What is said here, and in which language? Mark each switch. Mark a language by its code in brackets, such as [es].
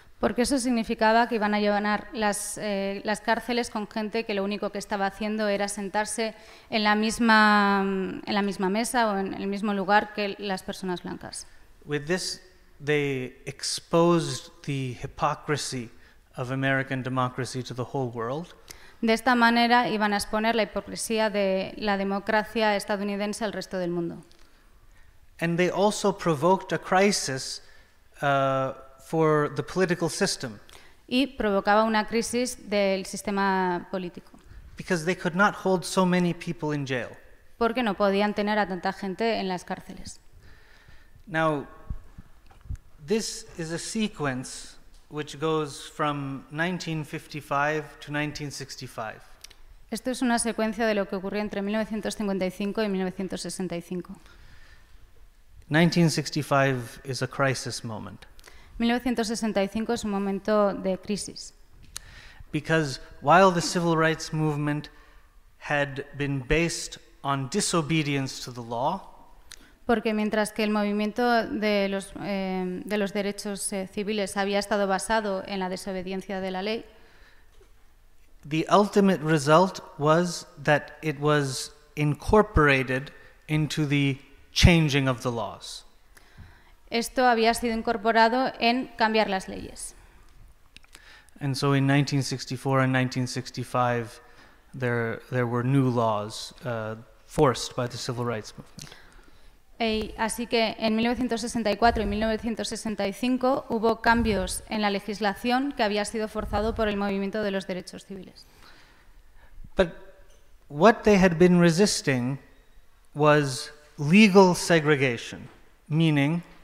[es] Porque eso significaba que iban a llenar las cárceles con gente que lo único que estaba haciendo era sentarse en la misma mesa o en el mismo lugar que las personas blancas. [en] With this, they exposed the hypocrisy of American democracy to the whole world. [es] De esta manera iban a exponer la hipocresía de la democracia estadounidense al resto del mundo. [en] And they also provoked a crisis for the political system. [es] Y provocaba una crisis del sistema político. [en] Because they could not hold so many people in jail. [es] Porque no podían tener a tanta gente en las cárceles. [en] Now, this is a sequence which goes from 1955 to 1965. [es] Esto es una secuencia de lo que ocurrió entre 1955 y 1965. [en] 1965 is a crisis moment. [es] 1965 es un momento de crisis. [en] Because while the civil rights movement had been based on disobedience to the law, [es] porque mientras que el movimiento de los derechos civiles había estado basado en la desobediencia de la ley, [en] the ultimate result was that it was incorporated into the changing of the laws. [es] esto había sido incorporado en cambiar las leyes. [en] And so in 1964 and 1965 there were new laws forced by the civil rights movement. [es] Así que en 1964 y 1965 hubo cambios en la legislación que había sido forzado por el movimiento de los derechos civiles. [en] But what they had been resisting was legal segregation, meaning